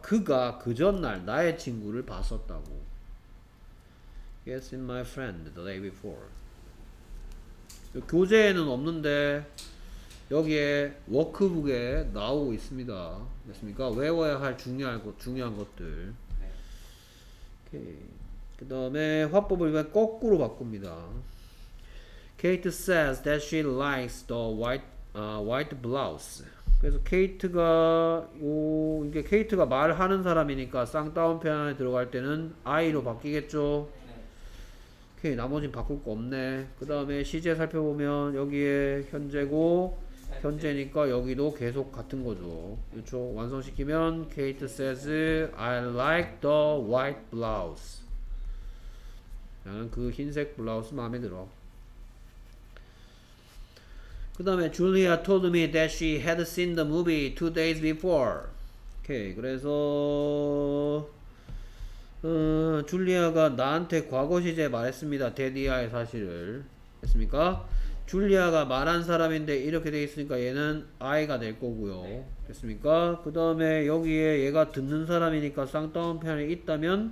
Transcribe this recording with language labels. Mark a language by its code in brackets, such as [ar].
[ko] 그가 그 전날 나의 친구를 봤었다고. [en] He had seen my friend the day before. [ko] 교재에는 없는데 여기에 워크북에 나오고 있습니다. 됐습니까? 외워야 할 중요한 것들. 오케이. 그 다음에 화법을 이번에 거꾸로 바꿉니다. [en] Kate says that she likes the white blouse. [ko] 그래서 Kate가 이게 Kate가 말하는 사람이니까 쌍따옴표 안에 들어갈 때는 I로 바뀌겠죠. 오케이, 나머지는 바꿀 거 없네. 그 다음에 시제 살펴보면 여기에 현재고 현재니까 여기도 계속 같은 거죠. 그렇죠? 완성시키면 [en] Kate says I like the white blouse. [ko] 나는 그 흰색 블라우스 마음에 들어. 그 다음에 [en] Julia told me that she had seen the movie 2 days before. [ko] 오케이. 그래서 줄리아가 나한테 과거 시제에 말했습니다. 데디아의 사실을 했습니까? 줄리아가 말한 사람인데 이렇게 돼 있으니까 얘는 I가 될 거고요. 네. 됐습니까? 그 다음에 여기에 얘가 듣는 사람이니까 쌍따옴표에 있다면